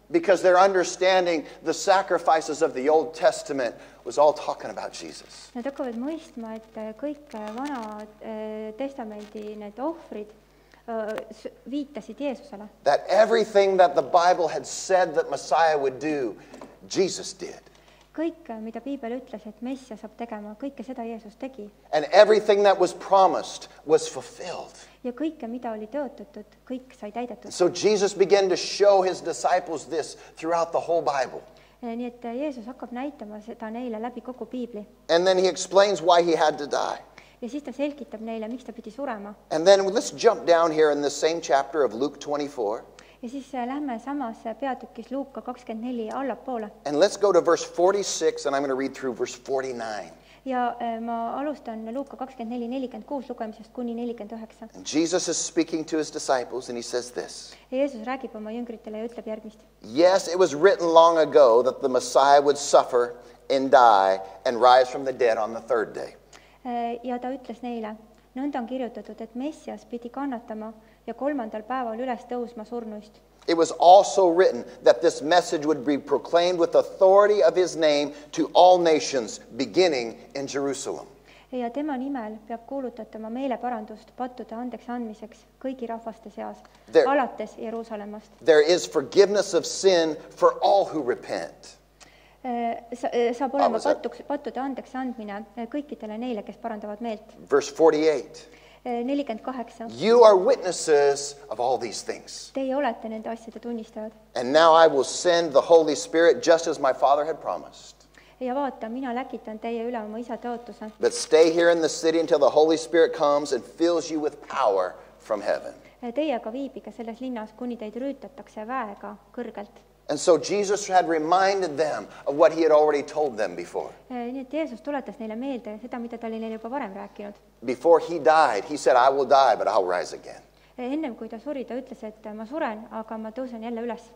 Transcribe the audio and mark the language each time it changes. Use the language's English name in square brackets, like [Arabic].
[English] Because their understanding the sacrifices of the Old Testament was all talking about Jesus. [Estonian] Nad hakkavad mõistma, et kõik vana testamendi need ohvrid viitasid Jeesusele. [English] That everything that the Bible had said that Messiah would do, Jesus did. [Estonian] Kõik, mida Piibel ütles, et Messia saab tegema, kõike seda Jeesus tegi. [English] And everything that was promised was fulfilled. [Estonian] Ja kõike, mida oli tõotatud, kõik sai täidetud. [English] So Jesus began to show his disciples this throughout the whole Bible. [Estonian] Nii et Jeesus hakkab näitama seda neile läbi kogu Piibli. [English] And then he explains why he had to die. [Estonian] Ja siis ta selgitab neile, miks ta pidi surema. [English] And then let's jump down here in the same chapter of Luke 24. [Estonian] Ja siis lähme samas peatükis Luuka 24 alla poole. [English] And let's go to verse 46 and I'm going to read through verse 49. [Estonian] Ja ma alustan Luuka 24, 46 lukemisest kuni 49. [English] And Jesus is speaking to his disciples and he says this. [Estonian] Ja Jeesus räägib oma jüngritele ja ütleb järgmist. [English] Yes, it was written long ago that the Messiah would suffer and die and rise from the dead on the third day. [Estonian] Ja ta ütles neile, nõnda on kirjutatud, et Messias pidi kannatama ja kolmandal päeval üles tõusma surnuist. [English] It was also written that this message would be proclaimed with authority of his name to all nations, beginning in Jerusalem. [Estonian] Ja tema nimel peab kuulutatama meeleparandust pattude andeks andmiseks kõigi rahvaste seas, there, alates Jerusalemast. [English] There is forgiveness of sin for all who repent. [Estonian] Saab olema pattude andeks andmine kõikidele neile, kes parandavad meelt. [English] Verse 48. You are witnesses of all these things. [Estonian] Teie olete nende asjade tunnistajad. [English] And now I will send the Holy Spirit just as my Father had promised. [Estonian] Ja vaata, mina läkitan teie üle oma isa tõotuse. [English] But stay here in the city until the Holy Spirit comes and fills you with power from heaven. [Estonian] Teie aga viibige selles linnas, kuni teid rüütatakse väega kõrgelt. [English] And so Jesus had reminded them of what he had already told them before. [Estonian] Jeesus tuletas neile meelde seda, mida ta oli neile juba varem rääkinud. [English] Before he died, he said, I will die, but I'll rise again. [Estonian] Ennem kui ta suri, ta ütles, et ma suren, aga ma tõusen jälle üles.